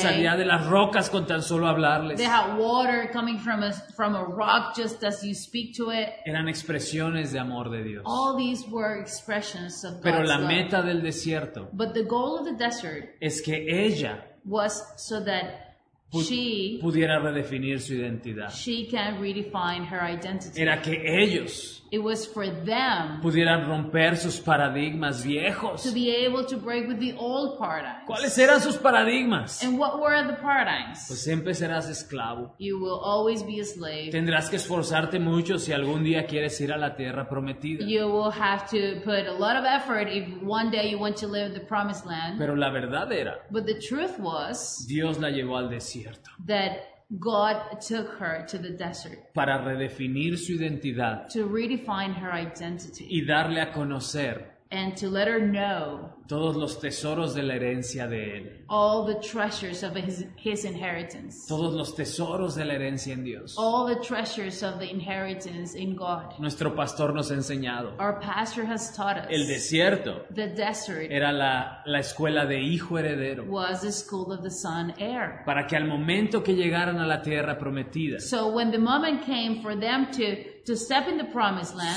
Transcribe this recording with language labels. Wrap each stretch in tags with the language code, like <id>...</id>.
<es>Salía de las rocas con tan solo hablarles.</es> <en>They had water coming from a rock just as you speak to it.</en> <es>Eran expresiones de amor de Dios.</es> <en>All these were expressions of God's</en> <es>Pero la</es> <en>love.</en> <es>Meta del desierto.</es> <en>But the goal of the desert</en> <es>es que ella</es> <en>was so that</en> <es>pudiera redefinir su identidad.</es> <en>She can redefine her identity.</en> <es>Era que ellos</es> <en>It was for them</en> <es>pudieran romper sus paradigmas viejos.</es> <en>To be able to break with the old paradigms.</en> <es>¿Cuáles eran sus paradigmas?</es> <en>And what were the paradigms?</en> <es>Pues siempre serás esclavo.</es> <en>You will always be a slave.</en> <es>Tendrás que esforzarte mucho si algún día quieres ir a la tierra prometida.</es> <en>You will have to put a lot of effort if one day you want to live in the promised land.</en> <es>Pero la verdad era,</es> <en>but the truth was,</en> <es>Dios la llevó al desierto.</es> <en>That God took her to the desert</en> <es>para redefinir su identidad,</es> <en>to redefine her identity,</en> <es>y darle a conocer,</es> <en>and to let her know,</en> <es>todos los tesoros de la herencia de él,</es> <en>all the treasures of his inheritance,</en> <es>todos los tesoros de la herencia en Dios,</es> <en>all the treasures of the inheritance in God.</en> <es>Nuestro pastor nos ha enseñado,</es> <en>our pastor has taught us,</en> <es>el desierto,</es> <en>the desert,</en> <es>era la escuela de hijo heredero,</es> <en>was the school of the son heir,</en> <es>para que al momento que llegaran a la tierra prometida,</es> <en>so when the moment came for them to step in the promised land,</en>